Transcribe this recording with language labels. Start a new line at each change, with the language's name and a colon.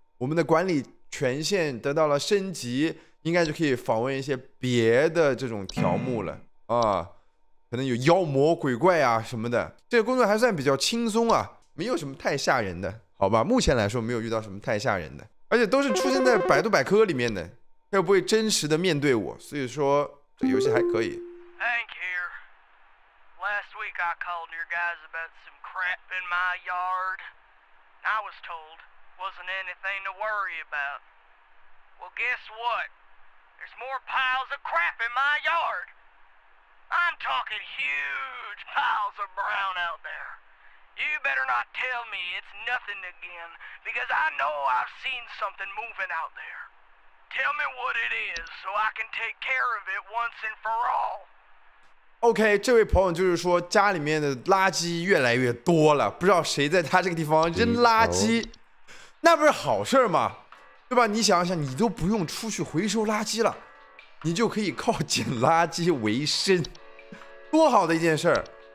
Chinese: 我们的管理权限得到了升级，应该就可以访问一些别的这种条目了啊，可能有妖魔鬼怪啊什么的。这个工作还算比较轻松啊，没有什么太吓人的，好吧？目前来说没有遇到什么太吓人的，而且都是出现在百度百科里面的，他又不会真实的面对我，所以说这游戏还可以。
English: Hank here. Last week I called your guys about some crap in my yard. I was told wasn't anything to worry about. Well, guess what? There's more piles of crap in my yard. I'm talking huge piles of brown out there. You better not tell me it's nothing again, because I know I've seen something moving out there. Tell me what it is, so I can take care of it once and for all.
Chinese: OK，这位朋友就是说家里面的垃圾越来越多了，不知道谁在他这个地方扔回垃收。圾，那不是好事吗？对吧？你想想，你都不用出去回收垃圾了，你就可以靠捡垃圾为生，多好的一件事儿！